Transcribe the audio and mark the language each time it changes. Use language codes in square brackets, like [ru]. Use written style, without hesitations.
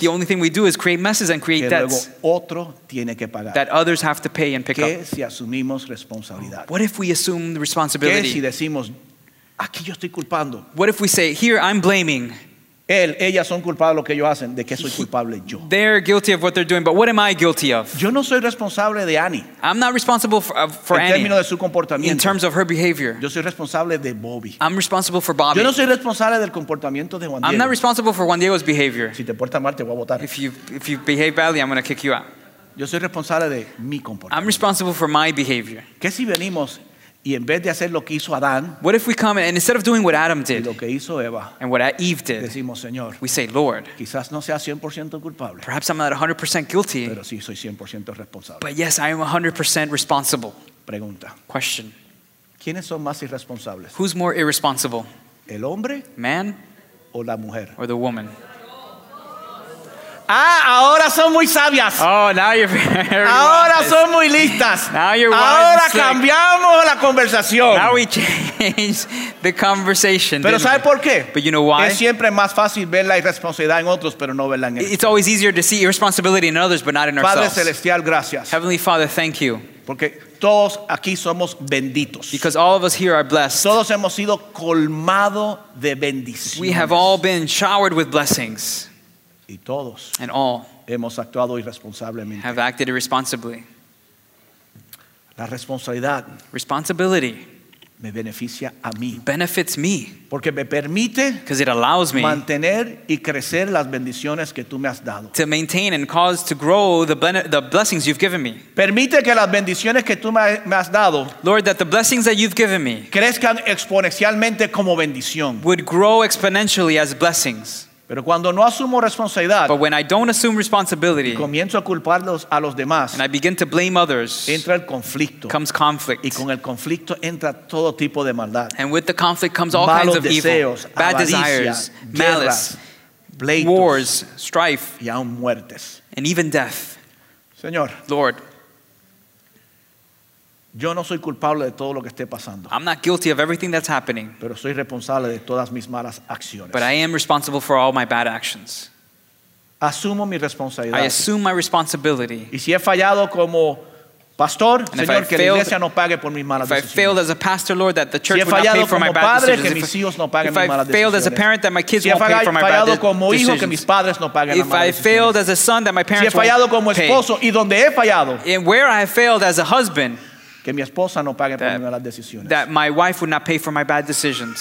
[en] The only thing we do is create messes and create debts. [es] Luego otro tiene que pagar. [en] That others have to pay and pick [es] ¿Qué [en] up. [es] Si asumimos responsabilidad? [en] What if we assume the responsibility? [es] ¿Qué si decimos, aquí yo estoy culpando? [en] What if we say, here I'm blaming. [es] Él, ellas son culpables de lo que ellos hacen. ¿De qué soy culpable yo? [en] They're guilty of what they're doing, but what am I guilty of? [es] Yo no soy responsable de Annie. [en] I'm not responsible for Annie. [es] En términos de su comportamiento. [en] In terms of her behavior. [es] Yo soy responsable de Bobby. [en] I'm responsible for Bobby. [es] Yo no soy responsable del comportamiento de Juan Diego. [en] I'm not responsible for Juan Diego's behavior. [es] Si te portas mal, te voy a botar. [en] If you behave badly, I'm going to kick you out. [es] Yo soy responsable de mi comportamiento. [en] I'm responsible for my behavior. [es] ¿Qué si venimos y en vez de hacer lo que hizo Adán, [en] what if we come and instead of doing what Adam did [es] y lo que hizo Eva, [en] and what Eve did, [es] decimos, Señor, [en] we say, Lord, [es] quizás no sea 100% culpable, [en] perhaps I'm not 100% guilty, [es] pero sí soy 100% responsable. [en] But yes, I am 100% responsible. [es] Pregunta. [en] Question. [es] ¿Quiénes son más irresponsables? [en] Who's more irresponsible? [es] ¿El hombre? [en] Man? [es] ¿O la mujer? [en] Or the woman? [es] Ah, ahora son muy sabias. [en] Oh, now you're very [es] ahora [en] wise. [es] Son muy listas. [en] Now you're wise. [es] Ahora cambiamos la conversación. [en] Now we change the conversation. [es] Pero ¿sabe por qué? [en] But you know why? [es] Es siempre más fácil ver la irresponsabilidad en otros, pero no verla en él. [en] It's always easier to see irresponsibility in others, but not in ourselves. [es] Padre celestial, gracias. [en] Heavenly Father, thank you. [es] Porque todos aquí somos benditos. [en] Because all of us here are blessed. [es] Todos hemos sido colmados de bendiciones. [en] We have all been showered with blessings. [es] Y todos [en] and all [es] hemos actuado irresponsablemente. [en] Have acted irresponsibly. [es] La responsabilidad, [en] responsibility, [es] me beneficia a mí. [en] Benefits me. [es] Porque me permite, [en] because it allows me, [es] mantener y crecer las bendiciones que tú me has dado. [en] To maintain and cause to grow the blessings you've given me. [es] Permite que las bendiciones que tú me has dado, [en] Lord, that the blessings that you've given me, [es] crezcan exponencialmente como bendición. [en] Would grow exponentially as blessings. [es] Pero cuando no asumo responsabilidad, [en] but when I don't assume responsibility, [es] y comienzo a culparlos a los demás, [en] and I begin to blame others, [es] entra el conflicto, [en] comes conflict, [es] y con el conflicto entra todo tipo de maldad, [en] and with the conflict comes all [es] malos [en] kinds of [es] deseos, [en] evil, bad [es] avaricia, [en] desires, [es] guerra, [en] malice, [es] pleitos, [en] wars, strife, [es] y aún muertes, [en] and even death. [es] Señor, [en] Lord, [es] yo no soy culpable de todo lo que esté pasando. [en] I'm not guilty of everything that's happening. [es] Pero soy responsable de todas mis malas acciones. [en] But I am responsible for all my bad actions. [es] Asumo mi responsabilidad. [en] I assume my responsibility. [es] Y si he fallado como pastor, Señor, que [en] failed, [es] la iglesia no pague por mis malas decisiones. [en] If I failed as a pastor, Lord, that the church [es] si [en] would not pay for my [es] padre, [en] bad decisions. [es] Que mis hijos no paguen mis malas decisiones. [en] If I failed as a parent, that my kids [es] si [en] won't pay for my bad decisions. [es] Como hijo, que mis padres no paguen [en] if I failed as a son, that my parents [es] si he fallado como [en] pay. [es] Esposo, y donde he fallado, [en] and where I have failed as a husband, [es] que mi esposa no pague por mis malas decisiones. [en] That my wife would not pay for my bad decisions.